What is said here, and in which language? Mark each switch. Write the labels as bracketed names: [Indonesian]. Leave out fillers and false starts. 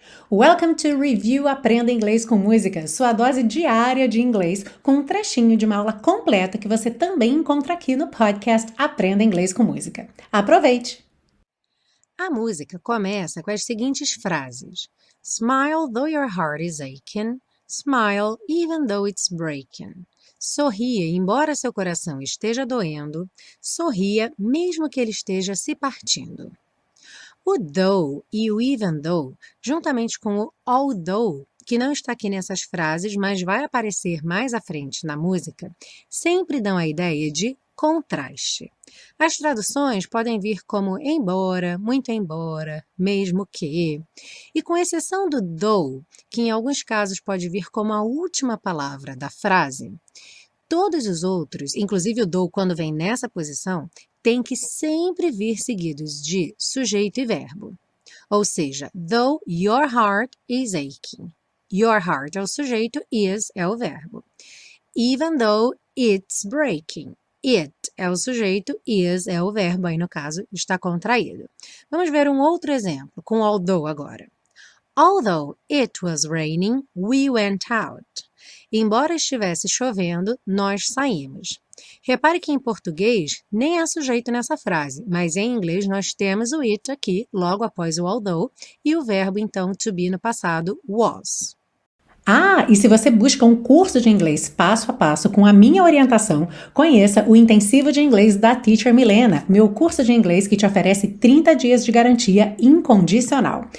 [English] Welcome to [Portuguese] Review Aprenda Inglês com Música, sua dose diária de inglês, com um trechinho de uma aula completa que você também encontra aqui no podcast Aprenda Inglês com Música. Aproveite! A música começa com as seguintes frases. [English] Smile though your heart is aching, smile even though it's breaking. [Portuguese] Sorria, embora seu coração esteja doendo, sorria mesmo que ele esteja se partindo. O though e o even though, juntamente com o although, que não está aqui nessas frases, mas vai aparecer mais à frente na música, sempre dão a ideia de contraste. As traduções podem vir como embora, muito embora, mesmo que. E com exceção do though, que em alguns casos pode vir como a última palavra da frase, todos os outros, inclusive o though quando vem nessa posição, tem que sempre vir seguidos de sujeito e verbo. Ou seja, [English] though your heart is aching. [Portuguese] Your heart é o sujeito, is é o verbo. [English] Even though it's breaking. [Portuguese] It é o sujeito, is é o verbo, aí no caso está contraído. Vamos ver um outro exemplo com although agora. [English] Although it was raining, we went out. [Portuguese] Embora estivesse chovendo, nós saímos. Repare que em português nem há sujeito nessa frase, mas em inglês nós temos o it aqui, logo após o although, e o verbo então to be no passado, was. Ah, e se você busca um curso de inglês passo a passo com a minha orientação, conheça o Intensivo de Inglês da Teacher Milena, meu curso de inglês que te oferece 30 dias de garantia incondicional.